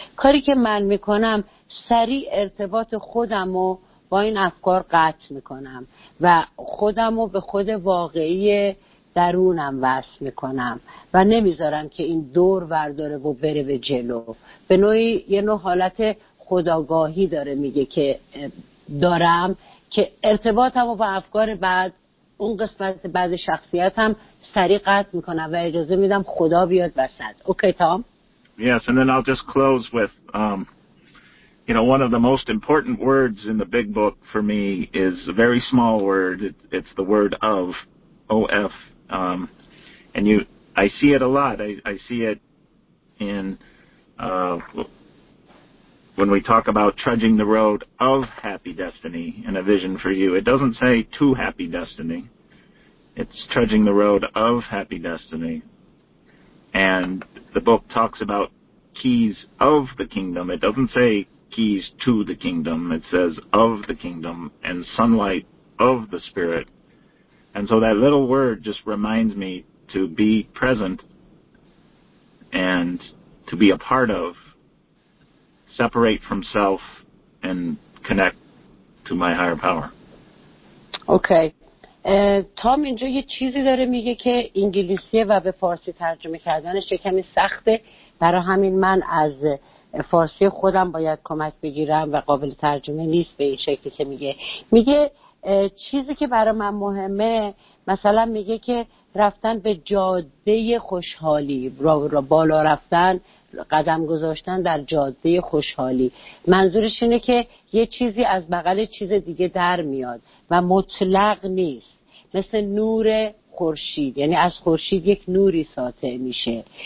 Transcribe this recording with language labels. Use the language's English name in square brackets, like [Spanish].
[Persian] کاری که من میکنم سریع ارتباط خودمو با این افکار قطع میکنم و خودمو به خود واقعی درونم وصل میکنم و نمیذارم که این دور ورداره و بره به جلو. به نوعی یه نوع حالت خداگاهی داره میگه که دارم، که ارتباطم با افکار بعد اون قسمت بعد شخصیتم سریع قطع میکنم و اجازه میدم خدا بیاد وسط. [English] Okay Tom? Yes, and then I'll just close with you know, one of the most important words in the big book for me is a very small word. It's the word of, O-F. And you, I see it a lot. I see it in when we talk about trudging the road of happy destiny and a vision for you. It doesn't say to happy destiny. It's trudging the road of happy destiny. And the book talks about keys of the kingdom. It doesn't say keys to the kingdom. It says of the kingdom and sunlight of the spirit. And so that little word just reminds me to be present and to be a part of, separate from self and connect to my higher power. Okay. [Persian] تام اینجا یه چیزی داره میگه که انگلیسیه و به فارسی ترجمه کردنش کمی سخته، برای همین من از فارسی خودم باید کمک بگیرم و قابل ترجمه نیست به این شکلی که میگه. میگه چیزی که برای من مهمه، مثلا میگه که رفتن به جاده خوشحالی، را بالا رفتن، قدم گذاشتن در جاده خوشحالی، منظورش اینه که یه چیزی از بغل چیز دیگه در میاد و مطلق نیست، مثل نور خورشید، یعنی از خورشید یک نوری ساطع میشه